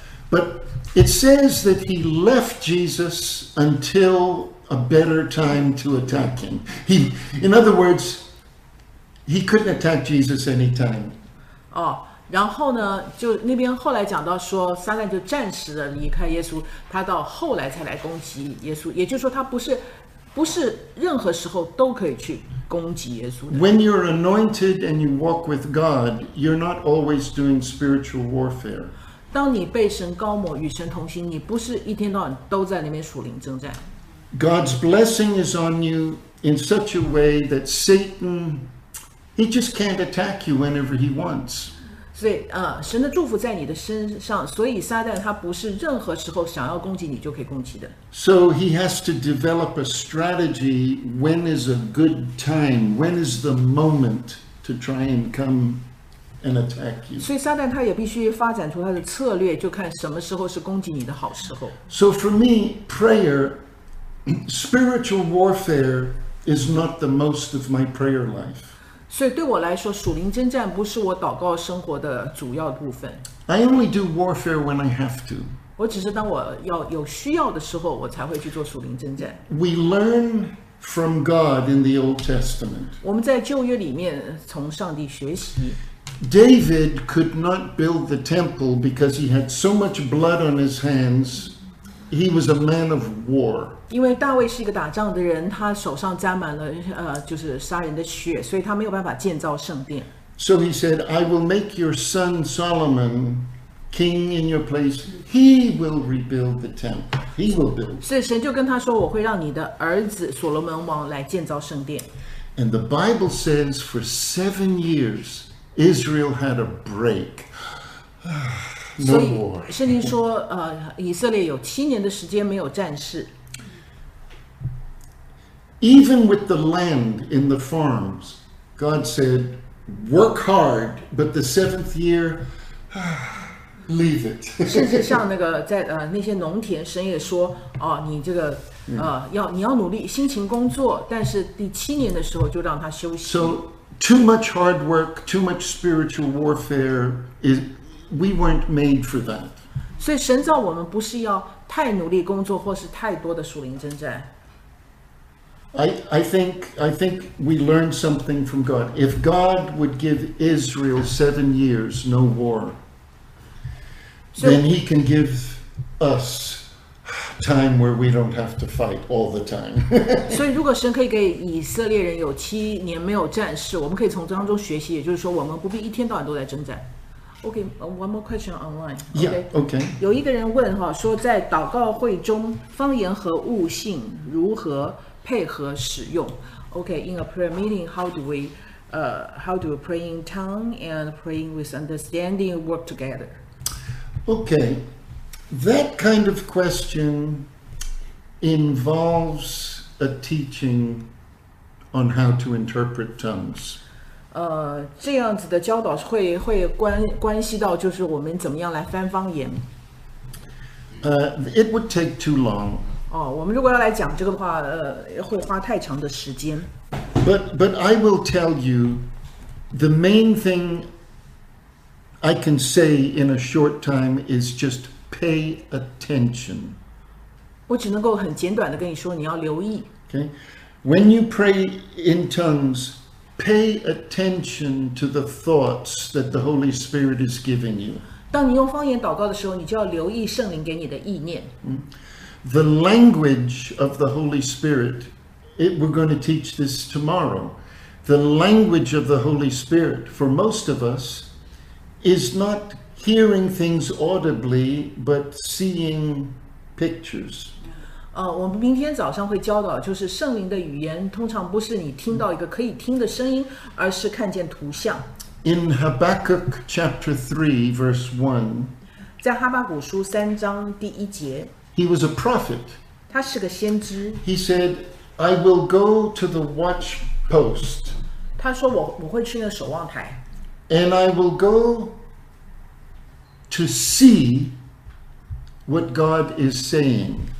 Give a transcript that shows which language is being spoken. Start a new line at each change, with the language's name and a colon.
English: But it says that he left Jesus until a better time to attack him. In other words, he couldn't attack Jesus anytime.
Chinese: 然后呢，就那边后来讲到说，撒旦就暂时的离开耶稣，他到后来才来攻击耶稣。也就是说，他不是任何时候都可以去攻击耶稣的。
English: When you're anointed and you walk with God, you're not always doing spiritual warfare.
Chinese: 当你被神高抹与神同行，你不是一天到晚都在那边属灵征战。
English: God's blessing is on you in such a way that Satan, he just can't attack you whenever he wants.
Chinese: 所以神的祝福在你的身上，所以撒旦他不是任何时候想要攻击你就可以攻击的。
English: So he has to develop a strategy, when is a good time, when is the moment to try and come and attack you.
Chinese: 所以撒旦他也必须发展出他的策略，就看什么时候是攻击你的好时候。
English: So for me, prayer, spiritual warfare is not the most of my prayer life.
Chinese: 所以对我来说，属灵征战不是我祷告生活的主要部分。
English: I only do warfare when I have to.
Chinese: 我只是当我要有需要的时候，我才会去做属灵征战。
English: We learn from God in the Old Testament.
Chinese: 我们在旧约里面从上帝学习。
English: David could not build the temple because he had so much blood on his hands. He was a man of war.
Chinese: 因为大卫是一个打仗的人，他手上沾满了就是杀人的血，所以他没有办法建造圣殿。
English: So he said, I will make your son Solomon king in your place. He will rebuild the temple. He will build.
Chinese: 所以神就跟他说，我会让你的儿子所罗门王来建造圣殿。
English: And the Bible says, for 7 years, Israel had a break. No war.
Chinese: 所以圣经说，以色列有7年的时间没有战事。
English: Even with the land in the farms, God said, work hard, but the 7th year, leave it.
Chinese: 甚至像那个在那些农田，神也说，哦，你这个要你要努力辛勤工作，但是第七年的时候就让他休息。
English: So too much hard work, too much spiritual warfare, is we weren't made for that.
Chinese: 所以神造我们不是要太努力工作或是太多的属灵征战。
English: I think we learned something from God. If God would give Israel 7 years, no war, then he can give us time where we don't have to fight all the time.
Chinese: 所以如果神可以给以色列人有七年没有战事，我们可以从当中学习，也就是说我们不必一天到晚都在征战。
English: OK, one more question online. Okay. Yeah, okay.
Chinese: 有一个人问说在祷告会中方言和悟性如何配合使用。
English: Okay, in a prayer meeting, how do praying tongue and praying with understanding work together? Okay, that kind of question involves a teaching on how to interpret tongues.
Chinese: 这样子的教导会关系到就是我们怎么样来翻方言。
English: It would take too long.
Chinese: 我们如果要来讲这个的话，会花太长的时间。
English: But I will tell you, the main thing I can say in a short time is just pay attention.
Chinese: 我只能够很简短的跟你说，你要留意。
English: Okay, when you pray in tongues, pay attention to the thoughts that the Holy Spirit is giving you.
Chinese: 当你用方言祷告的时候，你就要留意圣灵给你的意念。
English: The language of the Holy Spirit, we're going to teach this tomorrow. The language of the Holy Spirit, for most of us, is not hearing things audibly, but seeing pictures.
Chinese: 我们明天早上会教导，就是圣灵的语言通常不是你听到一个可以听的声音，而是看见图像。
English: In Habakkuk chapter 3, verse 1,
Chinese: 在哈巴谷书三章第一节，
English: He was a prophet.
Chinese: 他是个先知。
English: He said, I will go to the watchpost.
Chinese: 他说我会去那守望台。
English: And I will go to see what God is saying.